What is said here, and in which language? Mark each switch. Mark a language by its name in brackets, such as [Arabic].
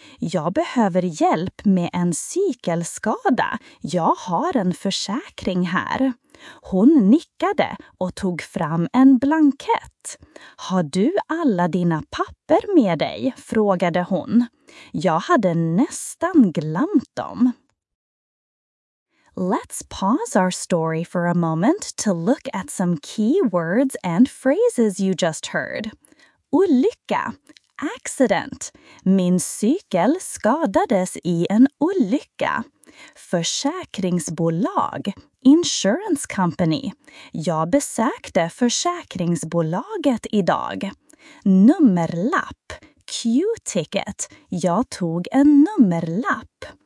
[Swedish] Jag behöver hjälp med en cykelskada. Jag har en försäkring här. Hon nickade och tog fram en blankett. Har du alla dina papper med dig? Frågade hon. Jag hade nästan glömt dem. [English] Let's pause our story for a moment to look at some key words and phrases you just heard. [Swedish] Olycka, [English] accident. [Swedish] Min cykel skadades i en olycka. Försäkringsbolag, [English] insurance company. [Swedish] Jag besökte försäkringsbolaget idag. Nummerlapp, [English] Q-ticket. [Swedish] Jag tog en nummerlapp.